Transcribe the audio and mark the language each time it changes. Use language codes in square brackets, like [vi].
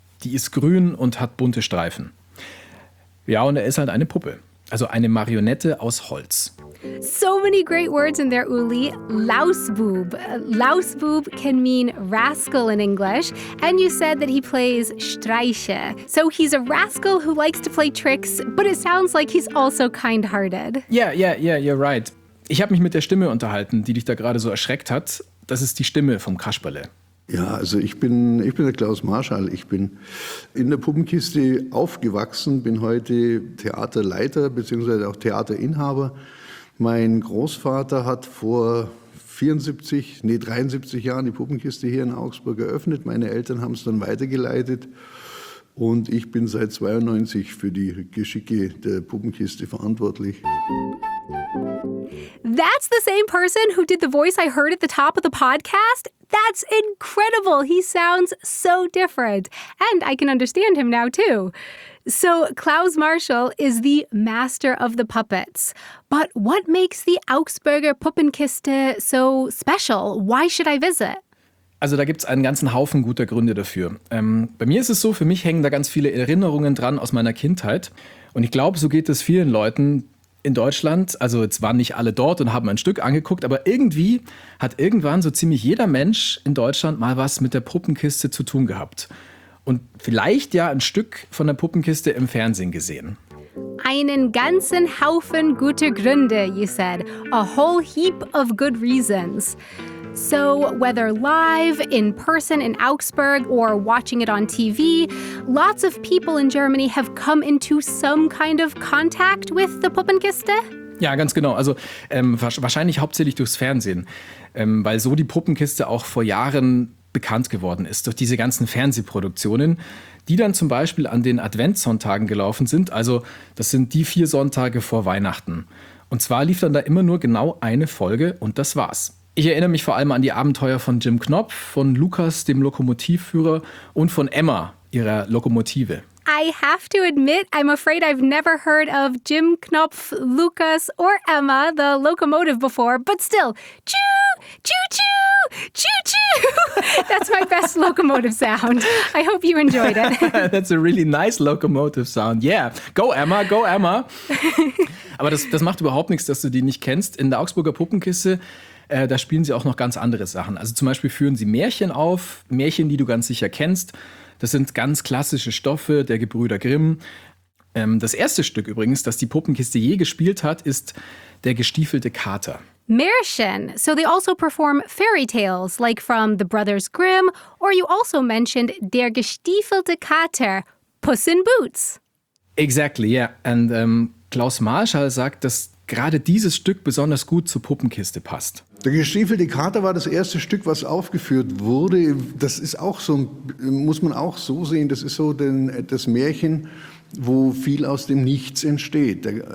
[de] Die ist grün und hat bunte Streifen. Ja, und er ist halt eine Puppe, also eine Marionette aus Holz. [en] So many great words in there, Uli. Lausbub. Lausbub can mean rascal in English. And you said that he plays Streiche. So he's a rascal who likes to play tricks, but it sounds like he's also kind-hearted. Yeah, you're right. [de] Ich habe mich mit der Stimme unterhalten, die dich da gerade so erschreckt hat. Das ist die Stimme vom Kasperle. Ja, also ich bin der Klaus Marschall. Ich bin in der Puppenkiste aufgewachsen, bin heute Theaterleiter bzw. auch Theaterinhaber. Mein Großvater hat vor 73 Jahren die Puppenkiste hier in Augsburg eröffnet. Meine Eltern haben es dann weitergeleitet und ich bin seit 92 für die Geschicke der Puppenkiste verantwortlich. [en] That's the same person who did the voice I heard at the top of the podcast. That's incredible. He sounds so different. And I can understand him now, too. So Klaus Marschall is the master of the puppets. But what makes the Augsburger Puppenkiste so special? Why should I visit? [de] Also da gibt es einen ganzen Haufen guter Gründe dafür. Bei mir ist es so, für mich hängen da ganz viele Erinnerungen dran aus meiner Kindheit. Und ich glaube, so geht es vielen Leuten in Deutschland, also jetzt waren nicht alle dort und haben ein Stück angeguckt, aber irgendwie hat irgendwann so ziemlich jeder Mensch in Deutschland mal was mit der Puppenkiste zu tun gehabt. Und vielleicht ja ein Stück von der Puppenkiste im Fernsehen gesehen. Einen ganzen Haufen guter Gründe, [en] you said. A whole heap of good reasons. So, whether live, in person in Augsburg, or watching it on TV, lots of people in Germany have come into some kind of contact with the Puppenkiste? [de] Ja, ganz genau. Also, wahrscheinlich hauptsächlich durchs Fernsehen. Weil so die Puppenkiste auch vor Jahren bekannt geworden ist durch diese ganzen Fernsehproduktionen, die dann zum Beispiel an den Adventssonntagen gelaufen sind. Also das sind die 4 Sonntage vor Weihnachten. Und zwar lief dann da immer nur genau eine Folge und das war's. Ich erinnere mich vor allem an die Abenteuer von Jim Knopf, von Lukas, dem Lokomotivführer, und von Emma, ihrer Lokomotive. [en] I have to admit, I'm afraid I've never heard of Jim Knopf, Lukas or Emma, the locomotive before, but still, choo, choo-choo, choo-choo. That's my best locomotive sound. I hope you enjoyed it. That's a really nice locomotive sound. Yeah, go Emma, go Emma. [de] Aber das macht überhaupt nichts, dass du die nicht kennst. In der Augsburger Puppenkiste, da spielen sie auch noch ganz andere Sachen. Also zum Beispiel führen sie Märchen auf, Märchen, die du ganz sicher kennst. Das sind ganz klassische Stoffe der Gebrüder Grimm. Das erste Stück übrigens, das die Puppenkiste je gespielt hat, ist Der gestiefelte Kater. Märchen. [en] So they also perform fairy tales, like from the Brothers Grimm, or you also mentioned Der gestiefelte Kater, Puss in Boots. Exactly, yeah. [de] And Klaus Marschall sagt, dass gerade dieses Stück besonders gut zur Puppenkiste passt. Der gestiefelte Kater war das erste Stück, was aufgeführt wurde. Das ist auch so, muss man auch so sehen, das ist so das Märchen, wo viel aus dem Nichts entsteht.